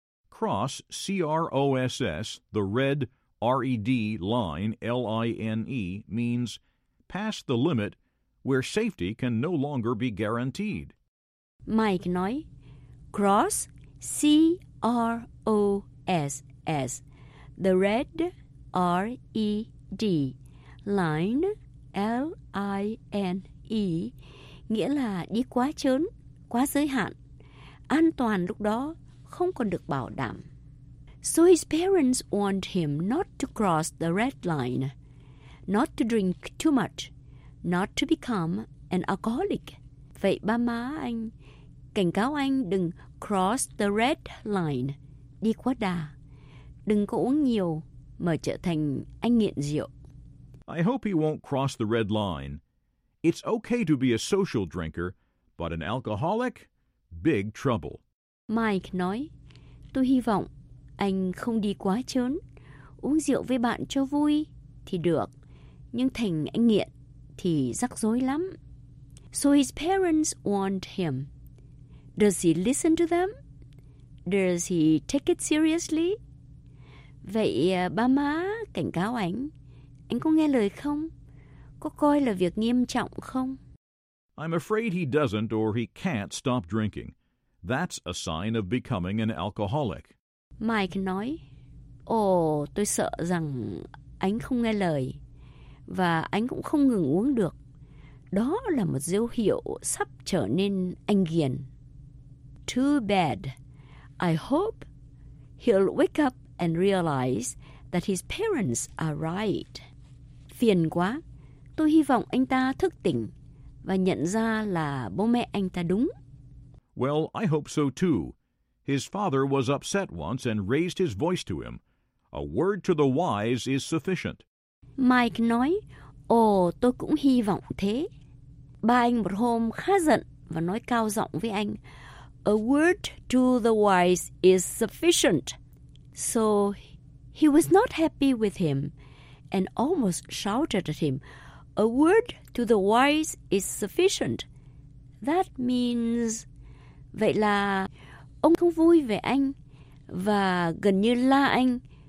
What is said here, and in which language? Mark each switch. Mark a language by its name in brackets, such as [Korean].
[English] Cross, C-R-O-S-S, the red, R-E-D, line, L-I-N-E, means pass the limit where safety can no longer be guaranteed. [Vietnamese] Mike nói, [English] cross, C-R-O-S-S, the red, R-E-D, line, L-I-N-E, [Vietnamese] nghĩa là đi quá chớn, quá giới hạn. An toàn lúc đó không còn được bảo đảm. [English] So his parents warned him not to cross the red line, not to drink too much, not to become an alcoholic. [Vietnamese] Vậy ba má anh cảnh cáo anh đừng [English] cross the red line, [Vietnamese] đi quá đà, đừng có uống nhiều mà trở thành anh nghiện rượu. [English] I hope he won't cross the red line. It's okay to be a social drinker, but an alcoholic? Big trouble. [Vietnamese] Mike nói, tôi hy vọng anh không đi quá chớn. Uống rượu với bạn cho vui thì được, nhưng thành anh nghiện thì rắc rối lắm. [English] So his parents warned him. Does he listen to them? Does he take it seriously? [Vietnamese] Vậy ba má cảnh cáo anh, anh có nghe lời không? Có coi là việc nghiêm trọng không? [English] I'm afraid he doesn't or he can't stop drinking. That's a sign of becoming an alcoholic. [Vietnamese] Mike nói, ồ, tôi sợ rằng anh không nghe lời và anh cũng không ngừng uống được. Đó là một dấu hiệu sắp trở nên anh nghiện. [English] Too bad. I hope he'll wake up and realize that his parents are right. [Vietnamese] Phiền quá. Tôi hy vọng anh ta thức tỉnh và nhận ra là bố mẹ anh ta đúng. [English] Well, I hope so too. His father was upset once and raised his voice to him. A word to the wise is sufficient. [Vietnamese] Mike nói, ồ, tôi cũng hy vọng thế. Ba anh một hôm khá giận và nói cao giọng với anh, [English] a word to the wise is sufficient. So, he was not happy with him and almost shouted at him, a word to the wise is sufficient. That means... [Vietnamese] Vậy là ông không vui về anh và gần như la anh.